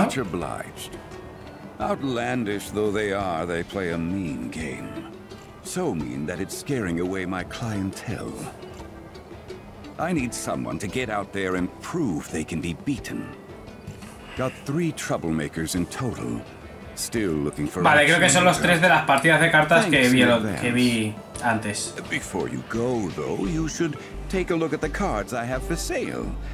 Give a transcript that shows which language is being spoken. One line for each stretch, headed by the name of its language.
English: Much obliged. Outlandish though they are, they play a mean game. So mean that it's scaring away my clientele. I need someone to get out there and prove they can be beaten. Got three troublemakers in total. Still looking for.
Spanish: Vale, creo que son los tres de las partidas de cartas que vi antes.
English: Before you go, though, you should take a look at the cards I have for sale.